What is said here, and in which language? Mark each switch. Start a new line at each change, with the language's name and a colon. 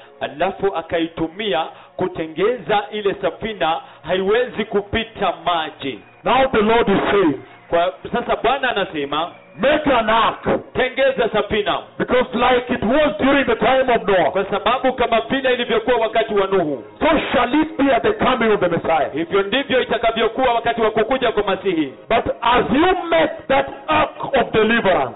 Swahili: Alafu akaitumia kutengeza ile safina haiwezi kupita maji.
English: Now the Lord is saying.
Swahili: Kwa sasa Bwana anasema.
English: Make an ark.
Swahili: Tengeza safina.
English: Because like it was during the time of Noah.
Swahili: Kwa sababu kama vile ilivyokuwa wakati wa Nuhu.
English: So shall it be at the coming of the Messiah.
Swahili: Hivyo ndivyo itakavyokuwa wakati wa kukuja kwa Masihi.
English: But as you make that ark of deliverance.